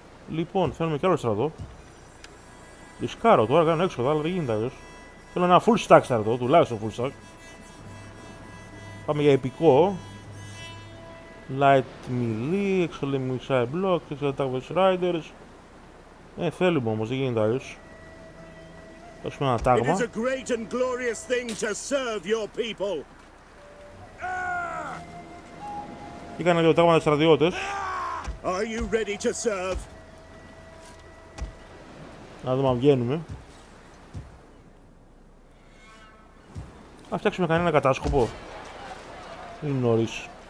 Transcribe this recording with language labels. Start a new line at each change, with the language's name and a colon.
Greek: Λοιπόν, θέλουμε και άλλο στρατό. Δισκάρω τώρα, κάνω έξοδα, αλλά δεν γίνεται αλλιώς. Θέλω ένα full stack στρατό, τουλάχιστον full stack. Πάμε για επικό.
English: Light Melee, Excellent Missile Block, Excellent Attack vs Riders.
Greek: Θέλουμε όμως, δεν γίνεται αλλιώς. Δώσουμε ένα τάγμα.
English: It is a great and glorious thing to serve your people.
Greek: Είχανε λίγο τάγματα στρατιώτες.
English: Are you ready to serve?
Greek: Να δούμε αν βγαίνουμε. Να φτιάξουμε κανένα κατάσκοπο. Είναι νωρίς.